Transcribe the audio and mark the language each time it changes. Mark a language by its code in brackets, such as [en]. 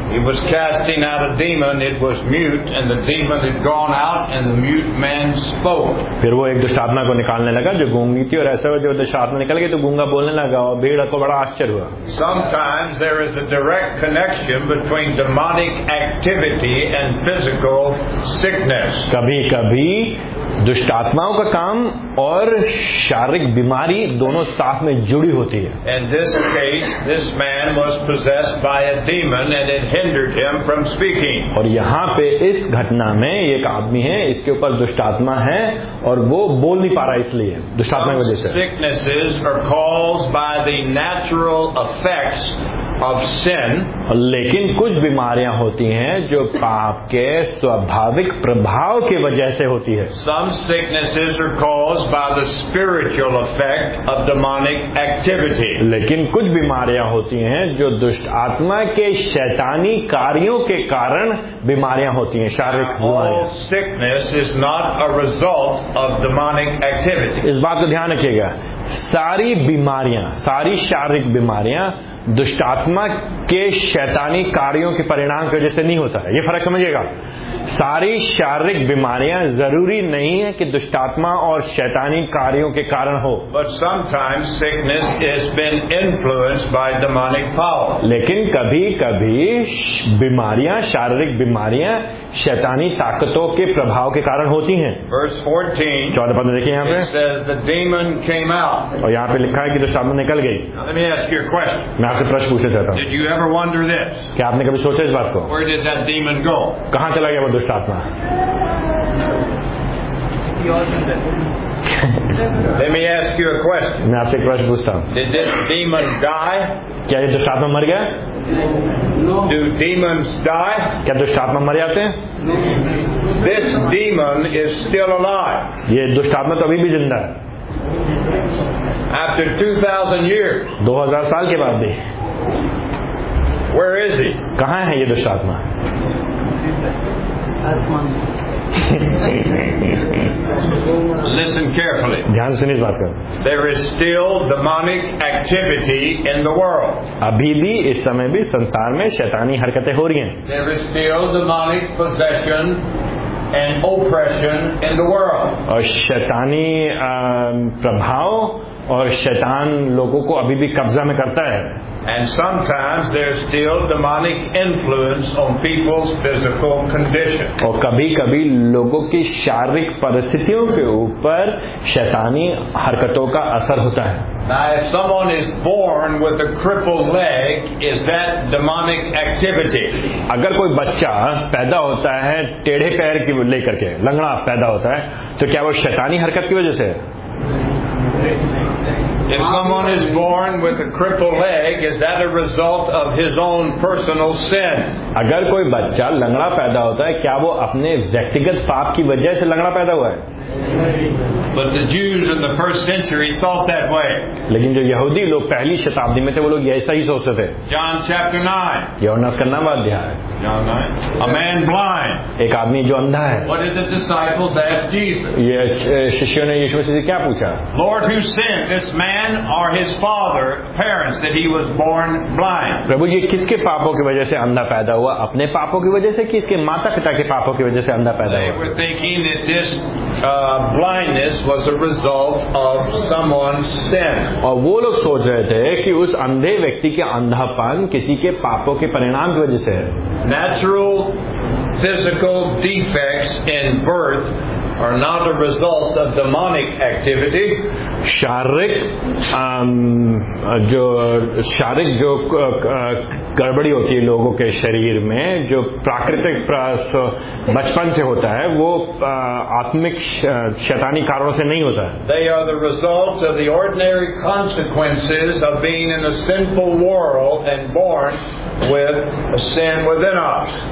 [en] he was casting out a demon, it was mute, and the demon had gone out, and the mute man. [hi] फिर वो एक दुष्टात्मा को निकालने लगा जो गूंगी थी, और ऐसा हुआ जो दुष्टात्मा निकल गई तो गूंगा बोलने लगा और भीड़ को बड़ा आश्चर्य हुआ. [en] Sometimes there is a direct connection between demonic activity and physical sickness. [hi] कभी कभी दुष्टात्माओं का काम और शारीरिक बीमारी दोनों साथ में जुड़ी होती है. [en] And this case, this man was possessed by a demon and it hindered him from speaking. [hi] और यहाँ पे इस घटना में एक आदमी है, इसके ऊपर दुष्टात्मा है और वो बोल नहीं पा रहा, इसलिए दुष्टात्मा की वजह से. [en] Sicknesses are caused by the natural effects of sin. [hi] लेकिन कुछ बीमारियां होती हैं जो पाप के स्वाभाविक प्रभाव के वजह से होती है. [en] Some sicknesses are caused by the spiritual effect of demonic activity. [hi] लेकिन कुछ बीमारियां होती हैं जो दुष्ट आत्मा के शैतानी कार्यों के कारण बीमारियां होती हैं, शारीरिक बीमारियां. [en] All sickness is not a result of demonic activity. [hi] इस बात को ध्यान रखिएगा, सारी बीमारियां, सारी शारीरिक बीमारियां दुष्टात्मा के शैतानी कार्यों के परिणाम की वजह से नहीं होता है. ये फर्क समझिएगा, सारी शारीरिक बीमारियां जरूरी नहीं है कि दुष्टात्मा और शैतानी कार्यों के कारण हो. [en] But sometimes sickness has been influenced by demonic power. [hi] लेकिन कभी कभी बीमारियां, शारीरिक बीमारियां शैतानी ताकतों के प्रभाव के कारण होती हैं. [en] Verse 14, [hi] 14 पद देखिए यहाँ पे, [en] says the demon came out. [hi] और यहाँ पे लिखा है कि दुष्टात्मा निकल गई. [en] Now let me ask you a question. [hi] मैं आपसे प्रश्न पूछना चाहता हूँ. [en] Did you ever wonder this? [hi] क्या आपने कभी सोचा इस बात को? [en] Where did that demon go? [hi] कहाँ चला गया वो दुष्टात्मा? [en] Let me ask you a question. [hi] मैं आपसे एक प्रश्न पूछता हूँ. [en] Did this demon die? [hi] क्या ये दुष्टात्मा मर गया? [en] No. Do demons die? [hi] क्या दुष्टात्मा मर जाते हैं? [en] This demon is still alive. [hi] ये दुष्टात्मा तो अभी भी जिंदा है. [en] After 2,000 years. [hi] 2,000 साल के बाद भी. [en] Where is he? [hi] कहाँ है ये दुष्टात्मा? [en] Listen carefully. [hi] ध्यान से सुनिए इस बात को. [en] There is still demonic activity in the world. [hi] अभी भी इस समय भी संसार में शैतानी हरकतें हो रही हैं. [en] There is still demonic possession and oppression in the world. [hi] और शैतानी प्रभाव और शैतान लोगों को अभी भी कब्जा में करता है. [en] And sometimes there's still demonic influence on people's physical condition. [hi] और कभी कभी लोगों की शारीरिक परिस्थितियों के ऊपर शैतानी हरकतों का असर होता है. [en] Now, if someone is born with a crippled leg, is that demonic activity? [hi] अगर कोई बच्चा पैदा होता है टेढ़े पैर की लेकर के लंगड़ा पैदा होता है तो क्या वो शैतानी हरकत की वजह से? [en] If someone is born with a crippled leg, is that a result of his own personal sin? [hi] अगर कोई बच्चा लंगड़ा पैदा होता है क्या वो अपने व्यक्तिगत पाप की वजह से लंगड़ा पैदा हुआ है? [en] But the Jews in the first century thought that way. [hi] लेकिन जो यहूदी लोग पहली शताब्दी में थे वो लोग ऐसा ही सोचते थे. [en] John chapter 9. [hi] यूहन्ना का नौवां अध्याय. [en] John 9. A man blind. [hi] एक आदमी जो अंधा है. [en] What did the disciples ask Jesus? [hi] शिष्यों ने यीशु से क्या पूछा? [en] Lord, who sinned, this man or his father, parents, that he was born blind? [hi] प्रभु जी किसके पापों की वजह से अंधा पैदा हुआ? अपने पापों की वजह से कि इसके माता पिता के पापों की वजह से अंधा पैदा हुआ? [en] They were thinking that this blindness was a result of someone's sin. [hi] और वो लोग सोच रहे थे कि उस अंधे व्यक्ति के अंधापन किसी के पापों के परिणाम की वजह से है. [en] Natural physical defects in birth are not a result of demonic activity. [hi] शारीरिक जो शारीरिक जो गड़बड़ी होती है लोगों के शरीर में जो प्राकृतिक बचपन से होता है वो आत्मिक शैतानी कारणों से नहीं होता है. [en] They are the result of the ordinary consequences of being in a sinful world and born with a sin within us.